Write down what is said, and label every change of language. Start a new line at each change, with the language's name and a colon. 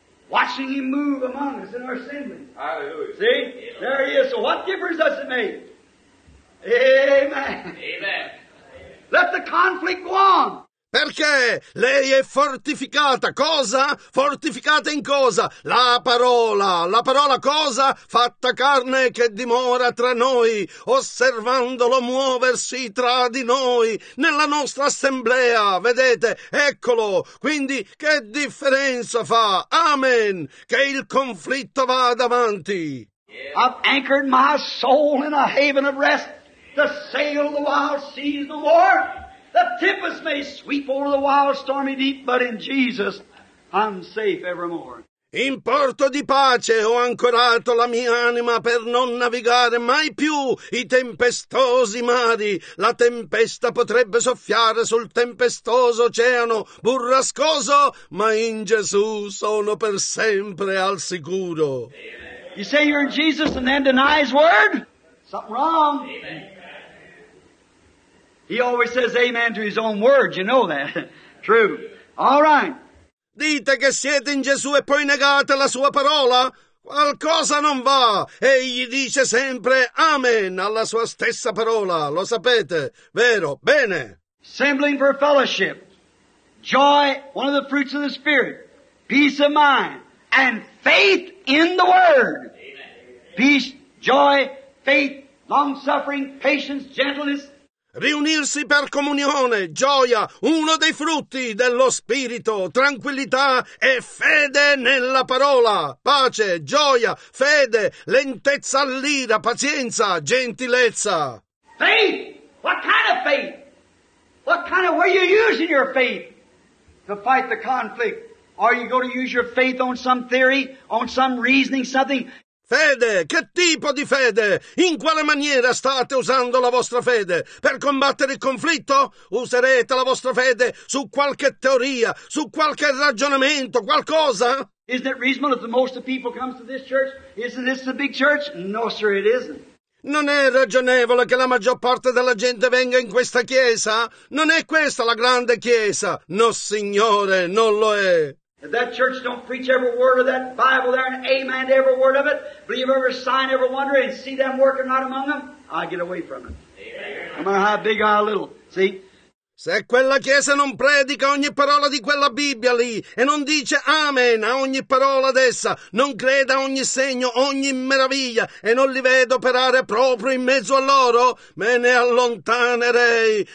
English: Watching Him move among us in our assembly. Hallelujah. See? Amen. There He is. So what difference does it make? Amen. Amen. Let the conflict go on.
Italian: Perché lei è fortificata. Cosa? Fortificata in cosa? La parola. La parola cosa? Fatta carne che dimora tra noi, osservandolo muoversi tra di noi, nella nostra assemblea. Vedete? Eccolo. Quindi che differenza fa? Amen. Che il conflitto va davanti.
English: I've anchored my soul in a haven of rest. The sail of the wild seas the Lord. The tempest may sweep over the wild stormy deep, but in Jesus I'm safe evermore.
Italian: In porto di pace ho ancorato la mia anima per non navigare mai più i tempestosi mari. La tempesta potrebbe soffiare sul tempestoso oceano burrascoso, ma in Gesù sono per sempre al sicuro.
English: You say you're in Jesus and then deny His word? Something wrong. Amen. He always says amen to His own word, you know that. True. All right.
Italian: Dite che siete in Gesù e poi negate la sua parola? Qualcosa non va. Egli dice sempre amen alla sua stessa parola. Lo sapete, vero? Bene.
English: Assembling for fellowship. Joy, one of the fruits of the Spirit. Peace of mind. And faith in the Word. Peace, joy, faith, long-suffering, patience, gentleness.
Italian: Riunirsi per comunione, gioia, uno dei frutti dello Spirito, tranquillità e fede nella parola, pace, gioia, fede, lentezza all'ira, pazienza, gentilezza.
English: Faith! What kind of faith? What kind of, were you using your faith to fight the conflict? Are you going to use your faith on some theory, on some reasoning, something?
Italian: Fede, che tipo di fede? In quale maniera state usando la vostra fede? Per combattere il conflitto? Userete la vostra fede su qualche teoria, su qualche ragionamento, qualcosa?
English: Isn't it reasonable if the most of people comes to this church? Isn't this the big church? No, sir, it isn't.
Italian: Non è ragionevole che la maggior parte della gente venga in questa chiesa? Non è questa la grande chiesa? No, signore, non lo è.
English: If that church don't preach every word of that Bible there and amen to every word of it, believe every sign, every wonder, and see them working not among them, I get away from it. No matter how big or little, see?
Italian: Se quella chiesa non predica ogni parola di quella Bibbia lì e non dice amen a ogni parola d'essa, non creda a ogni segno, ogni meraviglia e non li vedo operare proprio in mezzo a loro, me ne allontanerei.